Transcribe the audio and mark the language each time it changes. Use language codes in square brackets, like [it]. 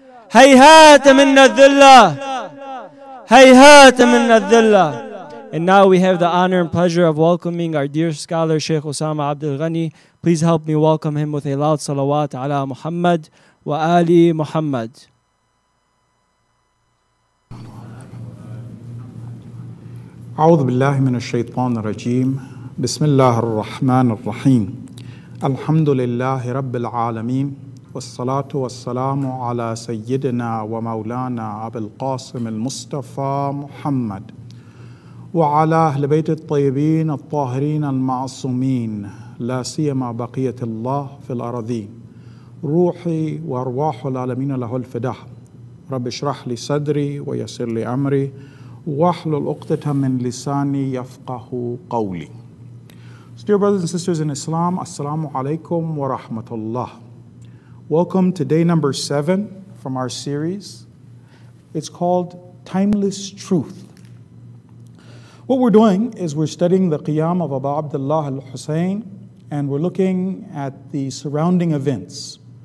[ar] Hayhat minna dhilla. Hayhat minna dhilla. [en] And now we have the honor and pleasure of welcoming our dear scholar, Sheikh Osama Abdul Ghani. Please help me welcome him with a loud [ar] salawat ala Muhammad wa Ali Muhammad. أعوذ بالله من الشيطان الرجيم بسم الله الرحمن الرحيم الحمد لله رب العالمين والصلاة والسلام على سيدنا ومولانا أبي القاسم المصطفى محمد وعلى أهل بيت الطيبين الطاهرين المعصومين لا سيما بقية الله في الأرضين روحي وأرواح العالمين له الفداء رب اشرح لي صدري ويسر لي أمري وَحْلُ مِنْ لِسَانِي يَفْقَهُ قَوْلِي. [en] So dear brothers and sisters in Islam, Assalamu alaikum wa rahmatullah. Welcome to day number 7 from our series. It's called Timeless Truth. What we're doing is we're studying the Qiyam of Abu Abdullah al-Husayn, and we're looking at the surrounding events.